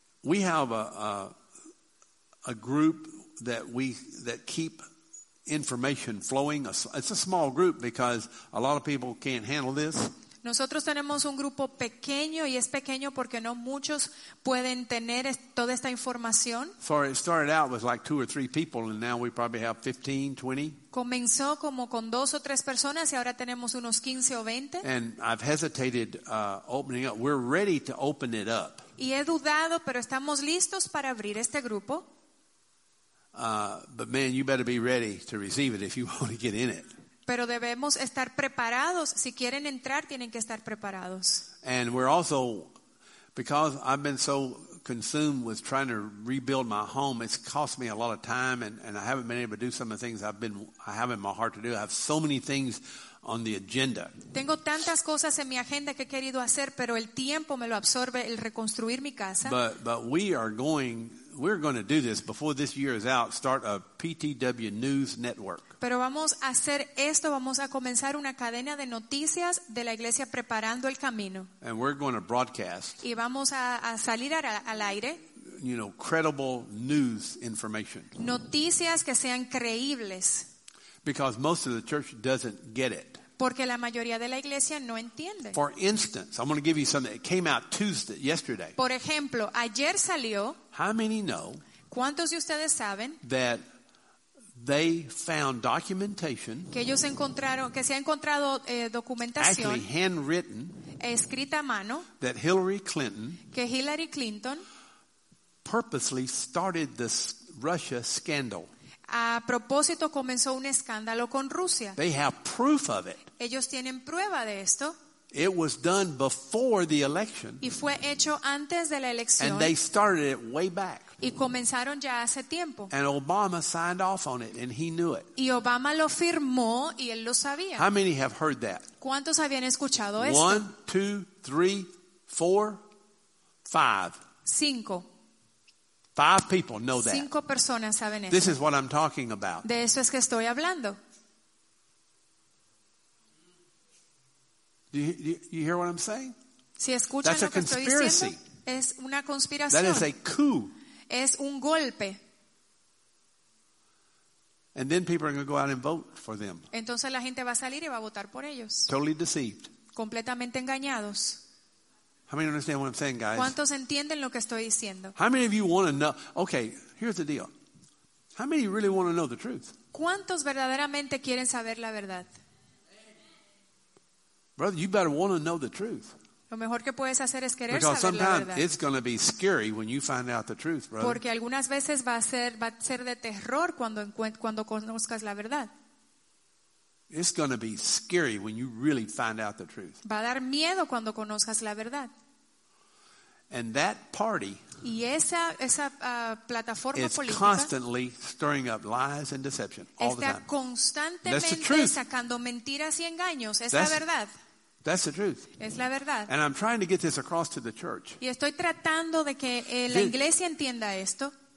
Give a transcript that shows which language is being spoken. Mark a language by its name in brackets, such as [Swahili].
[English] We have a group that keep information flowing. It's a small group because a lot of people can't handle this. [Spanish] Nosotros tenemos un grupo pequeño y es pequeño porque no muchos pueden tener toda esta información. [English] So it started out with like two or three people and now we probably have 15, 20. [Spanish] Comenzó como con dos o tres personas y ahora tenemos unos 15 o 20. [English] And I've hesitated opening up. We're ready to open it up. [Spanish] Y he dudado, pero estamos listos para abrir este grupo. [English] But man, you better be ready to receive it if you want to get in it. [Spanish] Pero debemos estar preparados. Si quieren entrar, tienen que estar preparados. [English] And we're also, because I've been so consumed with trying to rebuild my home, it's cost me a lot of time, and I haven't been able to do some of the things I have in my heart to do. I have so many things on the agenda. [Spanish] Tengo tantas cosas en mi agenda que he querido hacer, pero el tiempo me lo absorbe el reconstruir mi casa. [English] But we're going to do this before this year is out, start a PTW news network. [Spanish] Pero vamos a hacer esto, vamos a comenzar una cadena de noticias de la iglesia preparando el camino. [English] And we're going to broadcast. [Spanish] Y vamos a salir al aire. [English] You know, credible news information. [Spanish] Noticias que sean creíbles. [English] Because most of the church doesn't get it. [Spanish] Porque la mayoría de la iglesia no entiende. [English] For instance, I'm going to give you something that came out Tuesday, yesterday. [Spanish] Por ejemplo, ayer salió. [English] How many know? [Spanish] ¿Cuántos de ustedes saben? [English] That they found documentation. [Spanish] Que ellos encontraron, que se ha encontrado documentación. [English] Actually handwritten. [Spanish] Escrita a mano. [English] That Hillary Clinton. [Spanish] Que Hillary Clinton. [English] Purposely started this Russia scandal. [Spanish] A propósito comenzó un escándalo con Rusia. [English] They have proof of it. [Spanish] Ellos tienen prueba de esto. [English] It was done before the election. [Spanish] Y fue hecho antes de la elección. [English] And they started it way back. [Spanish] Y comenzaron ya hace tiempo. [English] And Obama signed off on it and he knew it. [Spanish] Y Obama lo firmó y él lo sabía. [English] How many have heard that? [Spanish] ¿Cuántos habían escuchado esto? [English] 1, 2, 3, 4, 5. [Spanish] Cinco. [English] Five people know that. [Spanish] Cinco personas saben eso. [English] This is what I'm talking about. [Spanish] De eso es que estoy hablando. [English] Do you hear what I'm saying? [Spanish] Si escuchan [English] That's [Spanish] lo que estoy [English] conspiracy. [Spanish] Diciendo, es una conspiración. [English] That is a coup. [Spanish] Es un golpe. [English] And then people are going to go out and vote for them. [Spanish] Entonces la gente va a salir y va a votar por ellos. [English] Totally deceived. [Spanish] Completamente engañados. [English] How many understand what I'm saying, guys? [Spanish] ¿Cuántos entienden lo que estoy diciendo? [English] How many of you want to know? Okay, here's the deal. How many really want to know the truth? [Spanish] ¿Cuántos verdaderamente quieren saber la verdad? [English] Brother, you better want to know the truth. [Spanish] Lo mejor que puedes hacer es querer [English] Because [Spanish] saber la verdad. [English] Because sometimes it's going to be scary when you find out the truth, brother. [Spanish] Porque algunas veces va a ser de terror cuando conozcas la verdad. [English] It's going to be scary when you really find out the truth. [Spanish] Va a dar miedo cuando conozcas la verdad. [English] And that party. [Spanish] Y esa plataforma [English] it's [Spanish] política. [English] It's constantly stirring up lies and deception all the time. [Spanish] Está constantemente sacando mentiras y engaños. Es la verdad. [English] That's the truth. [Spanish] Es la verdad. [English] And I'm trying to get this across to the church. [Spanish] Y estoy tratando de que la iglesia entienda esto.